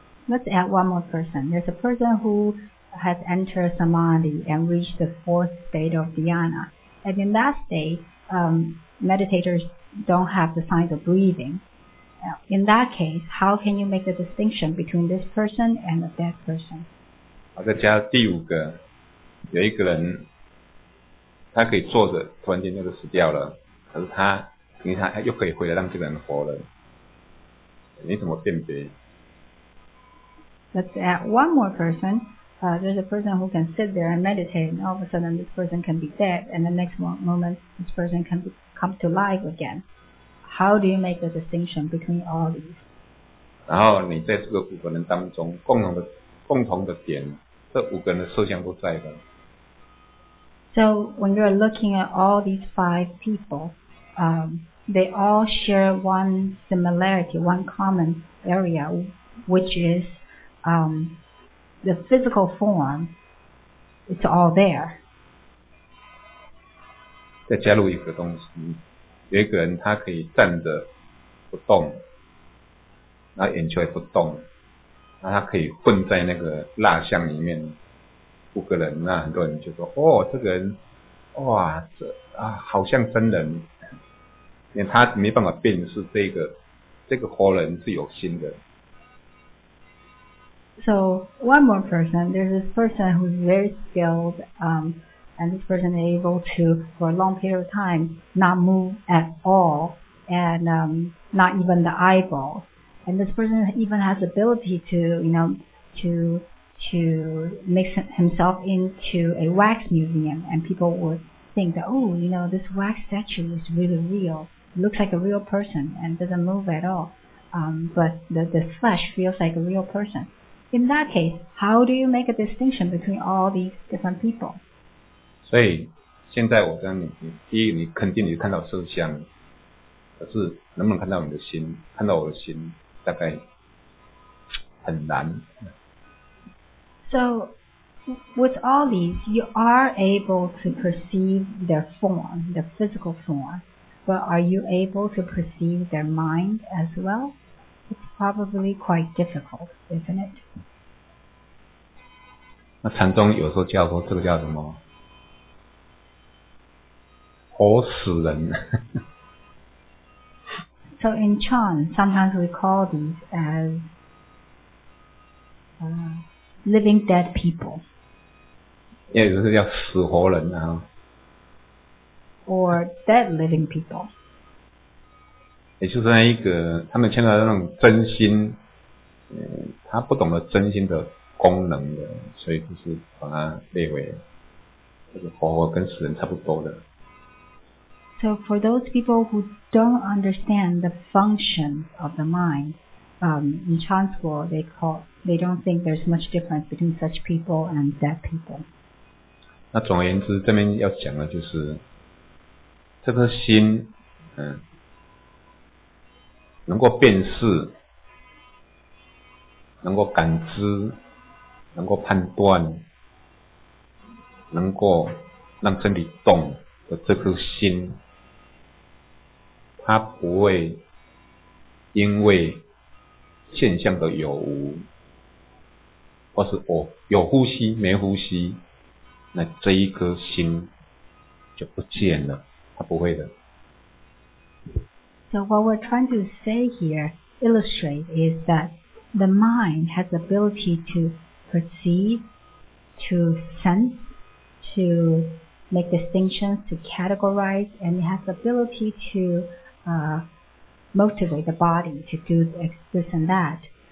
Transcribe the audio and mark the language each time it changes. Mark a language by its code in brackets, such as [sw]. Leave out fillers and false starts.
[en] Let's add one more person. There's a person who has entered samadhi and reached the fourth state of dhyana. And in that state, meditators don't have the signs of breathing. In that case, how can you make the distinction between this person and a dead person? [zh] 再加第五个，有一个人，他可以坐着，突然间就死掉了，可是他等一下他又可以回来让这个人活了，你怎么辨别？ [en] Let's add one more person. There's a person who can sit there and meditate, and all of a sudden this person can be dead, and the next moment this person can come to life again. How do you make the distinction between all these? [zh] 然后你在这个五个人当中共同的点，这五个人的受想都在的。 [en] So when you're looking at all these five people, they all share one similarity, one common area, which is the physical form. It's all there. [zh] 再加入一个东西，有一个人他可以站着不动，然后眼球也不动，那他可以混在那个蜡像里面。五个人，那很多人就说：“哦，这个人，哇，这啊，好像真人，因为他没办法辨识这个活人是有心的。” [en] So one more person, there's this person who's very skilled, and this person is able to for a long period of time not move at all, and not even the eyeball, and this person even has ability to, you know, to make himself into a wax museum, and people would think that, oh, you know, this wax statue is really real, looks like a real person, and doesn't move at all, but the flesh feels like a real person. In that case, how do you make a distinction between all these different people? [zh] 所以现在我跟你，第一，你肯定你看到色相，可是能不能看到你的心，看到我的心，大概很难。 [en] So with all these, you are able to perceive their form, the physical form, but are you able to perceive their mind as well? It's probably quite difficult, isn't it? [zh] 那禅宗有时候叫说这个叫什么？活死人。 [en] So in Chan, sometimes we call these as living dead people. [zh] 也就是叫死活人啊。 [en] Or dead living people. [zh] 也就是那一个他们牵扯到那种真心，他不懂得真心的功能的，所以就是把它列为就是活活跟死人差不多的。 [en] So for those people who don't understand the function of the mind, in Chan school they don't think there's much difference between such people and dead people. [zh] 那总而言之，这边要讲的就是这颗心，能够辨识，能够感知，能够判断，能够让身体动的这颗心，它不会因为现象的有无，或是我有呼吸没呼吸，那这一颗心就不见了，它不会的。 [en] So what we're trying to say here, illustrate, is that the mind has the ability to perceive, to sense, to make distinctions, to categorize, and it has the ability to motivate the body to do this and that.